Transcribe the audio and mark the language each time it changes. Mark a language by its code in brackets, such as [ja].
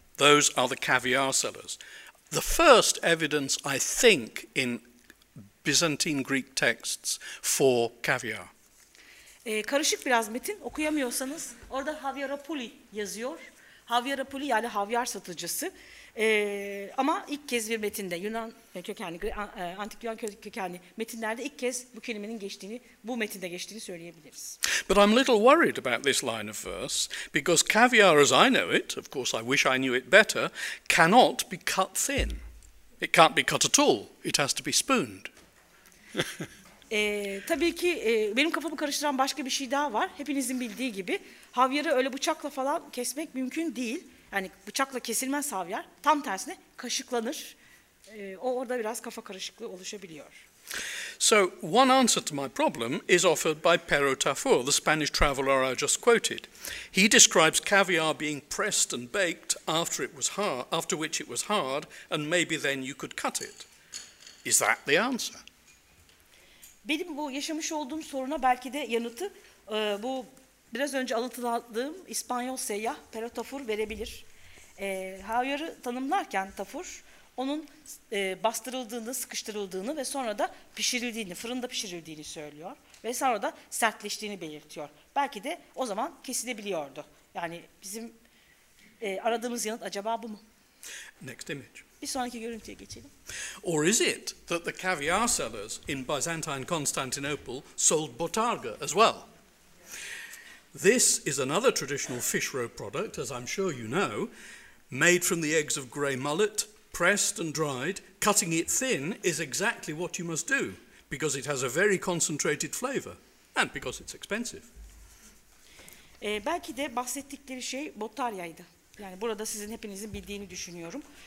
[en] Those are the caviar sellers. The first evidence, I think, in Byzantine Greek texts for caviar. [tr] Karışık biraz metin. Okuyamıyorsanız orada Haviaropouli yazıyor. Haviaropouli yani havyar satıcısı. Ama ilk kez bir metinde Yunan kökenli, antik Yunan kökenli metinlerde ilk kez bu kelimenin geçtiğini, bu metinde geçtiğini söyleyebiliriz. [en] But I'm a little worried about this line of verse because caviar as I know it, of course I wish I knew it better, cannot be cut thin. It can't be cut at all. It has to be spooned. [tr] tabii ki benim kafamı karıştıran başka bir şey daha var. Hepinizin bildiği gibi havyarı öyle bıçakla falan kesmek mümkün değil. Yani bıçakla kesilmez havyar. Tam tersine kaşıklanır. O orada biraz kafa karışıklığı oluşabiliyor. [en] So one answer to my problem is offered by Pero Tafur, the Spanish traveler I just quoted. He describes caviar being pressed and baked after it was hard, after which it was hard, and maybe then you could cut it. Is that the answer? [tr] Benim bu yaşamış olduğum soruna belki de yanıtı bu biraz önce anlatıldığım İspanyol seyyah Pero Tafur verebilir. Havyarı tanımlarken Tafur onun bastırıldığını, sıkıştırıldığını ve sonra da pişirildiğini, fırında pişirildiğini söylüyor. Ve sonra da sertleştiğini belirtiyor. Belki de o zaman kesilebiliyordu. Yani bizim aradığımız yanıt acaba bu mu? [en] Next image. [tr] Bir sonraki görüntüye geçelim. [en] Or is it that the caviar sellers in Byzantine Constantinople sold botarga as well? This is another traditional fish roe product, as I'm sure you know, made from the eggs of grey mullet, pressed and dried. Cutting it thin is exactly what you must do, because it has a very concentrated flavour, and because it's expensive. [tr] Belki de bahsettikleri şey botaryaydı. Yani burada sizin hepinizin bildiğini düşünüyorum.